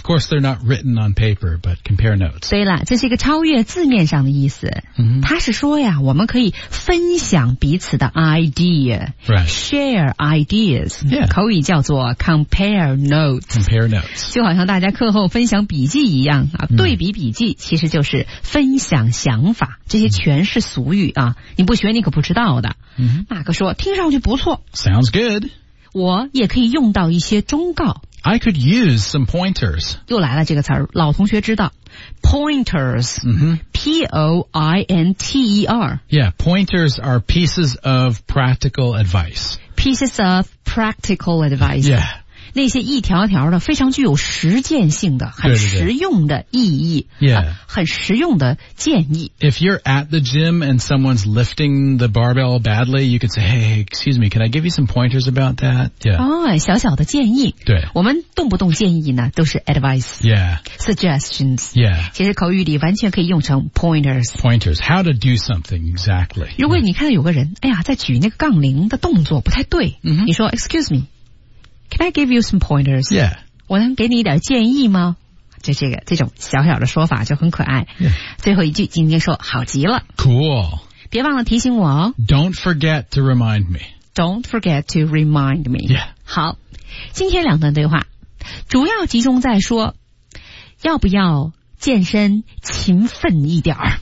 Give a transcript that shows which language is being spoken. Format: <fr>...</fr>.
<en>Of course, they're not written on paper, but compare notes.</en> <zh>对了这是一个超越字面上的意思。他是说呀我们可以分享彼此的 idea.</zh> <en>Right. Share ideas. Yeah.</en> <zh>口语叫做</zh> <en>compare notes. Compare notes.</en> <zh>就好像大家课后分享笔记一样啊对比笔记其实就是分享想法。这些全是俗语啊你不学你可不知道的。马克说听上去不错。</zh> <en>Sounds good.</en> <zh>我也可以用到一些忠告。</zh> <en>I could use some pointers.</en> <zh>又来了这个词儿，老同学知道。</zh> <en>Pointers,、 mm-hmm. P-O-I-N-T-E-R. Yeah, pointers are pieces of practical advice. Pieces of practical advice. Yeah.</en> <zh>那些一条条的非常具有实践性的很实用的意义。对对对 yeah. 很实用的建议。</zh> <en>If you're at the gym and someone's lifting the barbell badly, you could say, hey, excuse me, can I give you some pointers about that? Yeah.</en> <zh>哦，小小的建议。对。我们动不动建议呢都是 advice.</zh> <en>Yeah. Suggestions. Yeah.</en> <zh>其实口语里完全可以用成 pointers.</zh> <en>Pointers. How to do something, exactly.</en> <zh>如果你看到有个人哎呀在举那个杠铃的动作不太对、 mm-hmm.</zh> <en>你说 excuse me,Can I give you some pointers? Yeah.</en> <zh>我能给你一点建议吗？就这个这种小小的说法就很可爱。</zh> <en>Yeah.</en> <zh>最后一句今天说好极了。</zh> <en>Cool.</en> <zh>别忘了提醒我哦。</zh> <en>Don't forget to remind me. Don't forget to remind me. Yeah.</en> <zh>好。今天两段对话主要集中在说要不要健身勤奋一点儿。</zh>